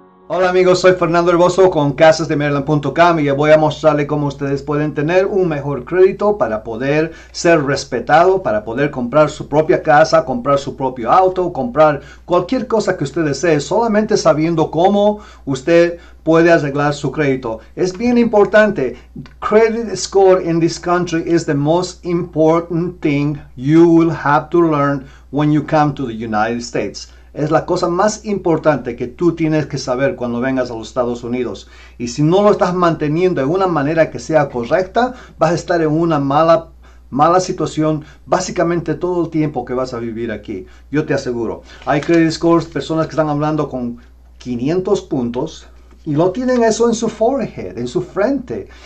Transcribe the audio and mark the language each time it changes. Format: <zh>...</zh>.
<es>Hola amigos, soy Fernando Herboso con casasdemaryland.com y les voy a mostrarle cómo ustedes pueden tener un mejor crédito para poder ser respetado, para poder comprar su propia casa, comprar su propio auto, comprar cualquier cosa que usted desee, solamente sabiendo cómo usted puede arreglar su crédito. Es bien importante.</es> <en>Credit score in this country is the most important thing you will have to learn when you come to the United States.</en> <es>Es la cosa más importante que tú tienes que saber cuando vengas a los Estados Unidos. Y si no lo estás manteniendo de una manera que sea correcta, vas a estar en una mala situación básicamente todo el tiempo que vas a vivir aquí. Yo te aseguro. Hay credit scores, personas que están hablando con 500 puntos y lo tienen eso en su forehead, en su frente.</es>